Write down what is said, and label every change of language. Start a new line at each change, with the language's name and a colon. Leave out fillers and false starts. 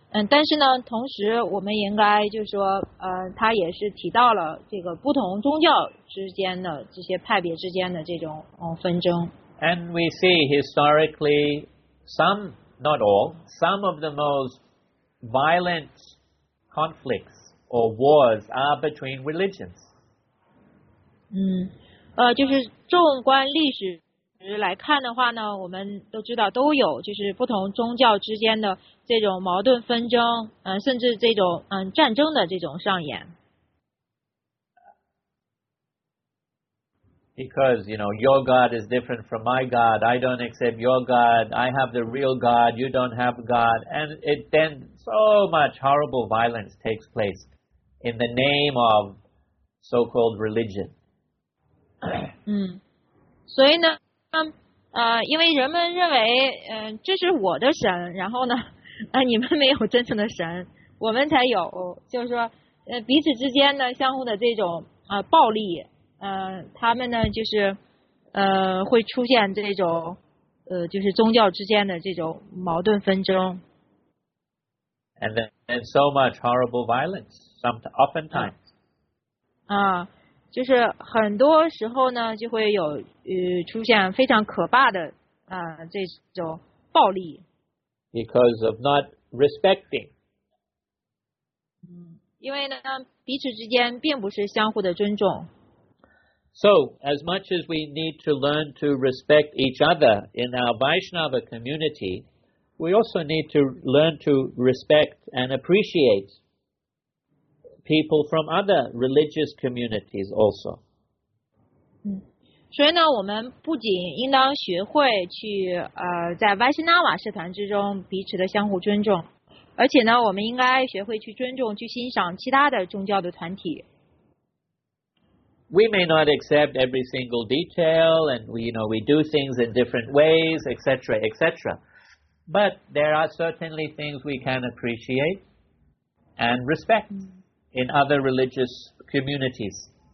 Chinese: 但是呢，同时我们应该就是说，他也是提到了这个不同宗教之间的这些派别之间的这种纷争。
English: And we see historically some, not all, some of the most violent conflicts or wars are between religions.
Chinese: 就是纵观历史来看的话呢，我们都知道都有就是不同宗教之间的这种矛盾纷争，甚至这种战争的这种上演。
English: Because, you know, your God is different from my God. I don't accept your God. I have the real God. You don't have God. And it then so much horrible violence takes place in the name of so-called religion.
Chinese: 所以呢因为人们认为这是我的神，然后呢你们没有真正的神，我们才有，就是说彼此之间呢相互的这种暴力，他们呢就是会出现这种就是宗教之间的这种矛盾纷争。
English: And then and so much horrible violence, oftentimes.
Chinese: 就是很多时候呢就会有出现非常可怕的这种暴力。
English: Because of not respecting.
Chinese: 因为呢彼此之间并不是相互的尊重。
English: So, as much as we need to learn to respect each other in our Vaishnava community, we also need to learn to respect and appreciate people from other religious communities also.
Chinese: 所以呢，我们不仅应当学会去在 Vaishnava 社团之中彼此的相互尊重，而且呢，我们应该学会去尊重、去欣赏其他的宗教的团体。
English: We may not accept every single detail, and we, you know, we do things in different ways, etc., etc. But there are certainly things we can appreciate and respect in other religious communities.